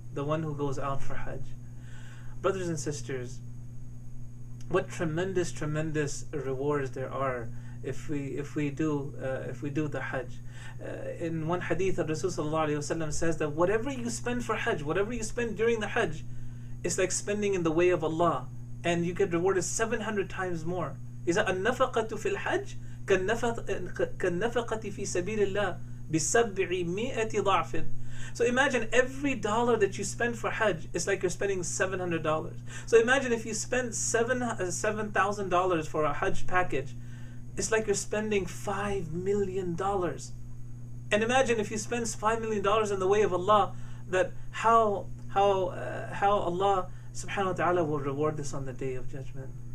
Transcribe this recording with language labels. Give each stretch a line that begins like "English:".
English: The one who goes out for Hajj. Brothers and sisters, what tremendous, tremendous rewards there are if we do the Hajj. In one hadith, Rasul sallallahu alayhi wa sallam says that whatever you spend for Hajj, whatever you spend during the Hajj, it's like spending in the way of Allah, and you get rewarded 700 times more. Is that
Arabic: النَّفَقَةُ فِي الْحَجِّ كَالنَّفَقَةِ فِي سَبِيلِ اللَّهِ بِسَبْعِ مِئَةِ ضَعْفٍ.
English: So imagine every dollar that you spend for Hajj, it's like you're spending $700. So imagine if you spend $7,000 for a Hajj package, it's like you're spending $5 million. And imagine if you spend $5 million in the way of Allah, that how Allah subhanahu wa ta'ala will reward this on the Day of Judgment.